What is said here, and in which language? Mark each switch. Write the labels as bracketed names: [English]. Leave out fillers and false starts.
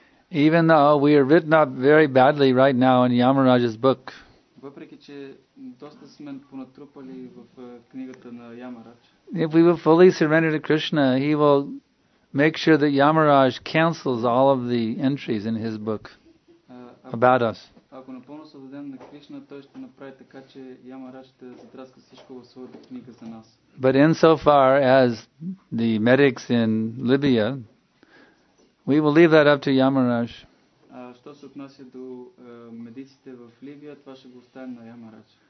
[English] Even though we are written up very badly right now in Yamaraj's book, if we will fully surrender to Krishna, he will make sure that Yamaraj cancels all of the entries in his book about us. [Bulgarian] Ако напълно се отдадем на Кришна, той ще направи така, че Ямарадж ще затраска всичко в своята книга за нас. [English] But in so far as the medics in Libya, we will leave that up to Yamaraj. [Bulgarian] Що се отнася до медиците в Либия, това ще го оставим на Ямарадж.